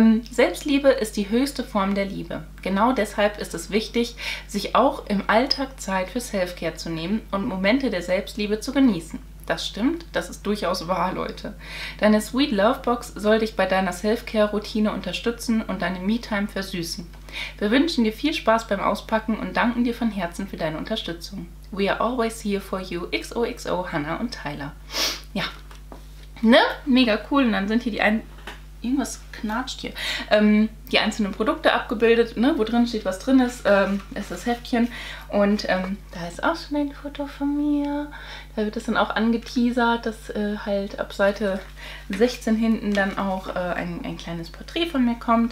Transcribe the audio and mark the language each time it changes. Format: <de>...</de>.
<de>Selbstliebe ist die höchste Form der Liebe. Genau deshalb ist es wichtig, sich auch im Alltag Zeit für Selfcare zu nehmen und Momente der Selbstliebe zu genießen. Das stimmt, das ist durchaus wahr, Leute. Deine Sweet Love Box soll dich bei deiner Selfcare-Routine unterstützen und deine Me-Time versüßen. Wir wünschen dir viel Spaß beim Auspacken und danken dir von Herzen für deine Unterstützung.</de> <en>We are always here for you, XOXO, Hannah und Tyler.</en> <de>Ja, ne? Mega cool. Und dann sind hier irgendwas knatscht hier. Die einzelnen Produkte abgebildet, ne? Wo drin steht, was drin ist, ist das Heftchen. Und da ist auch schon ein Foto von mir. Da wird es dann auch angeteasert, dass halt ab Seite 16 hinten dann auch ein kleines Porträt von mir kommt.</de>